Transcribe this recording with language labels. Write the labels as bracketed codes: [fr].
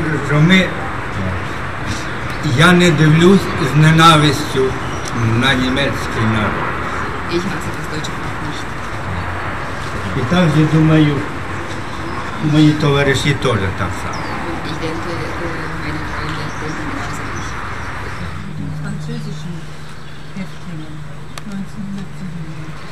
[uk] Роме, я не дивлюсь з ненавистю на німецький народ. [de] Ich hasse das deutsche Volk nicht. [uk] І так, я думаю, мої товариші теж так само. [de] Ich denke, meine Freunde denken genauso wie ich. Französischen Häftlingen 1997.